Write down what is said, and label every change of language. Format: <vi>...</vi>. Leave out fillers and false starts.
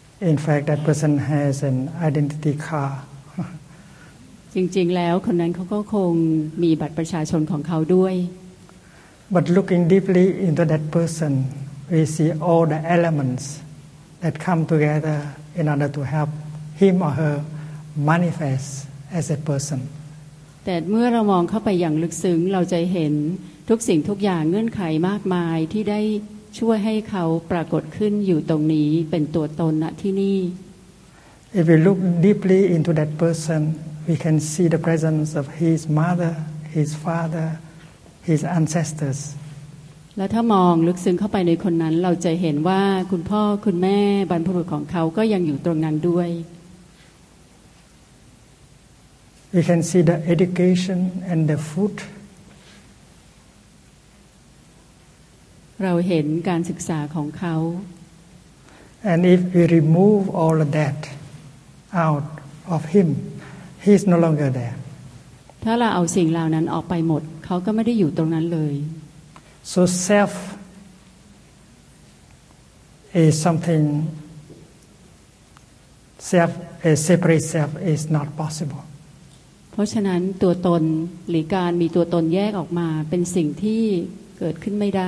<en>In fact that person has an identity card</en> <th>จริงๆแล้วคนนั้นเขาก็คงมีบัตรประชาชนของเขาด้วย</th> <en>But looking deeply into that person we see all the elements that come together in order to help him or her manifest as a person</en> <th>แต่เมื่อเรามองเข้าไปอย่างลึกซึ้งเราจะเห็นทุกสิ่งทุกอย่างเงื่อนไขมากมายที่ได้ช่วยให้เขาปรากฏขึ้นอยู่ตรงนี้เป็นตัวตนณที่นี่</th> <en>If we look deeply into that person we can see the presence of his mother his father his ancestors</en> <th>แล้วถ้ามองลึกซึ้งเข้าไปในคนนั้นเราจะเห็นว่าคุณพ่อคุณแม่บรรพบุรุษของเขาก็ยังอยู่ตรงนั้นด้วย</th> <en>We can see the education and the food.</en> <th>เราเห็นการศึกษาของเขา</th> <en>And if we remove all of that out of him, he's no longer there.</en> <th>ถ้าเราเอาสิ่งเหล่านั้นออกไปหมดเขาก็ไม่ได้อยู่ตรงนั้นเลย</th> <en>So self is something. Self, a separate self, is not possible.</en> <th>เพราะฉะนั้นตัวตนหรือการมีตัวตนแยกออกมาเป็นสิ่งที่เกิดขึ้นไม่ได</th>